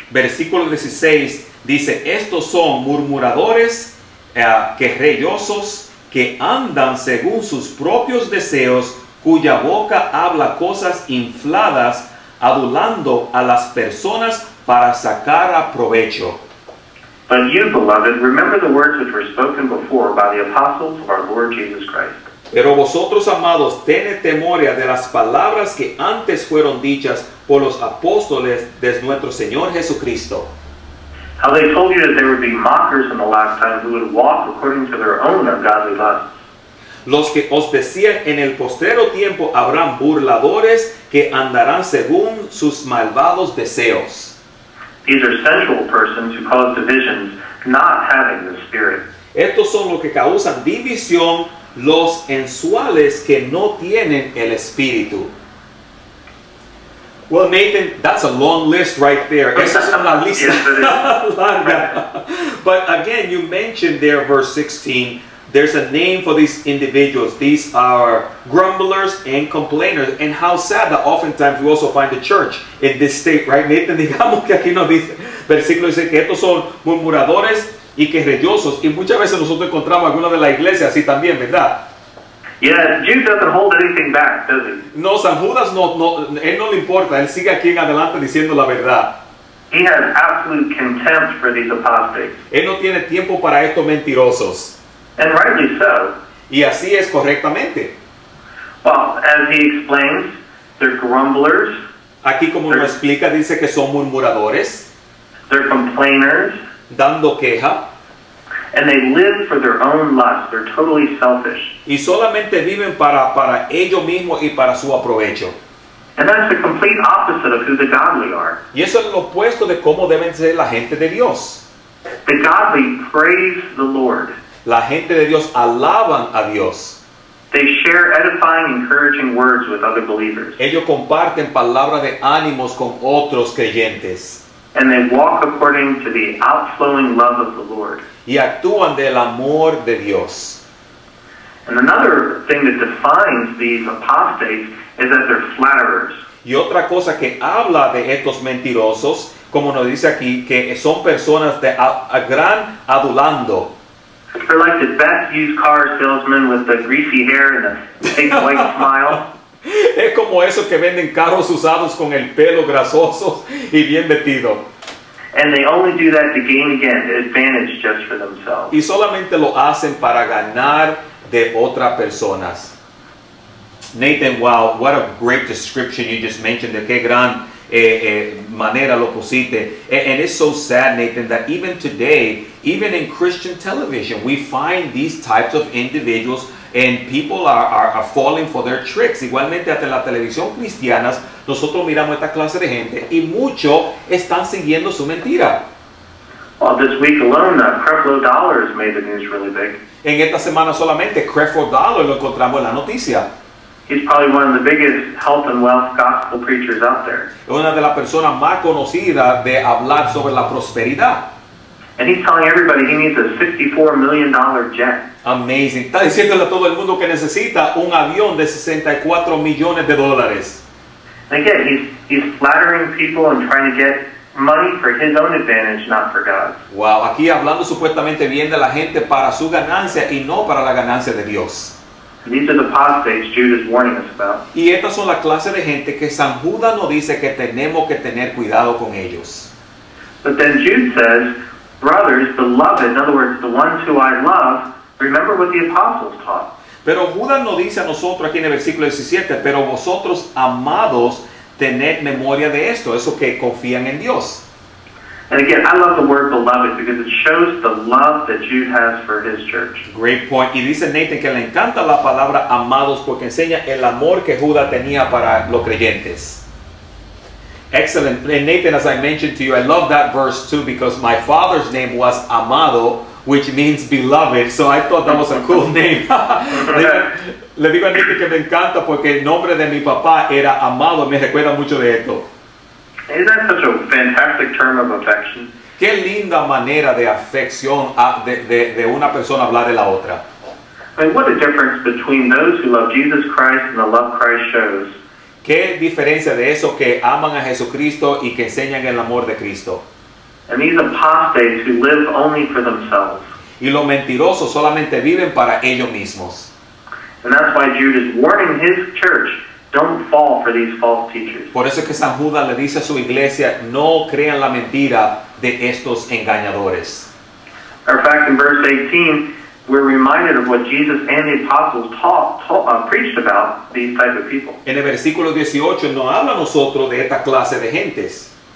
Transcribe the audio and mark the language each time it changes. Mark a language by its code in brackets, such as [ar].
[es] Versículo 16 dice, "Estos son murmuradores, querellosos, que andan según sus propios deseos, cuya boca habla cosas infladas, adulando a las personas para sacar a provecho." [en] "But you, beloved, remember the words which were spoken before by the apostles of our Lord Jesus Christ." [es] Pero vosotros, amados, tened memoria de las palabras que antes fueron dichas por los apóstoles de nuestro Señor Jesucristo. [en] "How they told you that there would be mockers in the last time who would walk according to their own ungodly lusts." [es] Los que os decían en el postrero tiempo habrán burladores que andarán según sus malvados deseos. [en] "These are sensual persons who cause divisions, not having the Spirit." [es] Estos son los que causan división, los sensuales que no tienen el Espíritu. [en] Well, Nathan, that's a long list right there. [es] Esa es una lista larga. [en] But again, you mentioned there, verse 16, there's a name for these individuals. These are grumblers and complainers. And how sad that oftentimes we also find the church in this state, right? [es] Nathan, digamos que aquí nos dice, versículo dice que estos son murmuradores y querellosos. Y muchas veces nosotros encontramos alguna de la iglesia así también, ¿verdad? [en] Yeah, Jude doesn't hold anything back, does he? [es] No, San Judas, no, él no le importa. Él sigue aquí en adelante diciendo la verdad. [en] He has absolute contempt for these apostates. [es] Él no tiene tiempo para estos mentirosos. [en] And rightly so. [es] Y así es correctamente. [en] Well, as he explains, they're grumblers. [es] Aquí como lo explica, dice que son murmuradores. [en] They're complainers. [es] Dando queja. [en] And they live for their own lust. They're totally selfish. [es] Y solamente viven para ellos mismos y para su aprovecho. [en] And that's the complete opposite of who the godly are. [es] Y eso es lo opuesto de cómo deben ser la gente de Dios. [en] The godly praise the Lord. [es] La gente de Dios alaban a Dios. [en] They share edifying, encouraging words with other believers. [es] Ellos comparten palabras de ánimos con otros creyentes. [en] And they walk according to the outflowing love of the Lord. [es] Y actúan del amor de Dios. [en] And another thing that defines these apostates is that they're flatterers. [es] Y otra cosa que habla de estos mentirosos, como nos dice aquí, que son personas de a gran adulando. [en] They're like the best used car salesman with the greasy hair and the big white smile. [es] Es como esos que venden carros usados con el pelo grasoso y bien metido. [en] And they only do that to gain again, the advantage just for themselves. [es] Y solamente lo hacen para ganar de otras personas. [en] Nathan, wow, what a great description you just mentioned. [es] De qué gran manera lo pusiste. [en] And it's so sad, Nathan, that even today, even in Christian television, we find these types of individuals and people are falling for their tricks. [es] Igualmente, hasta en la televisión cristiana, nosotros miramos esta clase de gente y muchos están siguiendo su mentira. [en] Well, this week alone, Creflo Dollar has made the news really big. [es] En esta semana solamente, Creflo Dollar lo encontramos en la noticia. [en] He's probably one of the biggest health and wealth gospel preachers out there. [es] Es una de las personas más conocidas de hablar sobre la prosperidad. [en] And he's telling everybody he needs a $64 million jet. Amazing. [es] Está diciéndole a todo el mundo que necesita un avión de 64 millones de dólares. [en] Again, he's flattering people and trying to get money for his own advantage, not for God's. [es] Wow, aquí hablando supuestamente bien de la gente para su ganancia y no para la ganancia de Dios. [en] And these are the apostates Jude is warning us about. [es] Y estas son la clase de gente que San Judas nos dice que tenemos que tener cuidado con ellos. [en] But then Jude says, "Brothers, beloved," in other words, the ones who I love, remember what the apostles taught. [es] Pero Judas nos dice a nosotros aquí en el versículo 17, pero vosotros, amados, tened memoria de esto, eso que confían en Dios. [en] And again, I love the word beloved because it shows the love that Jude has for his church. Great point. [es] Y dice Nathan que le encanta la palabra amados porque enseña el amor que Judas tenía para los creyentes. [en] Excellent. And Nathan, as I mentioned to you, I love that verse too, because my father's name was Amado, which means beloved. So I thought that was a cool name. [es] Le digo a Nathan que me encanta porque el nombre de mi papá era Amado. Me recuerda mucho de esto. [en] Isn't that such a fantastic term of affection? [es] Qué linda manera de afección de una persona hablar de la otra. [en] And what a difference between those who love Jesus Christ and the love Christ shows. [es] Qué diferencia de eso que aman a Jesucristo y que enseñan el amor de Cristo. [en] And these apostates who live only for themselves. [es] Y los mentirosos solamente viven para ellos mismos. [en] And that's why Jude is warning his church, don't fall for these false teachers. [es] Por eso es que San Judas le dice a su iglesia, no crean la mentira de estos engañadores. [en] In fact, in verse 18, we're reminded of what Jesus and the apostles preached about these type of people. [es] En el versículo 18 nos habla nosotros de esta clase de gentes.